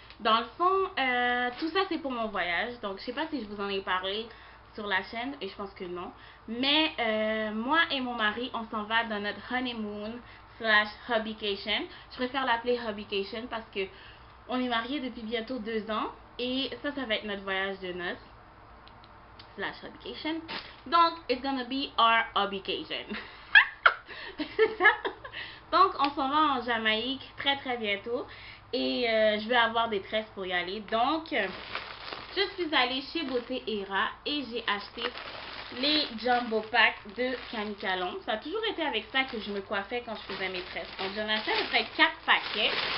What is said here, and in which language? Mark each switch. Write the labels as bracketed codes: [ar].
[fr] Dans le fond, tout ça, c'est pour mon voyage. Donc, je sais pas si je vous en ai parlé sur la chaîne, et je pense que non. Mais, moi et mon mari, on s'en va dans notre [en] honeymoon slash hubbycation. [fr] Je préfère l'appeler hubbycation parce que on est mariés depuis bientôt 2 ans. Et ça va être notre voyage de noces slash hubbycation. [en] Donc, it's gonna be our hubbycation. [fr] C'est ça? Donc, on s'en va en Jamaïque très très bientôt et je vais avoir des tresses pour y aller. Donc, je suis allée chez Beauté Era et j'ai acheté les Jumbo Packs de Canicalon. Ça a toujours été avec ça que je me coiffais quand je faisais mes tresses. Donc, j'en achetais à peu près 4 paquets.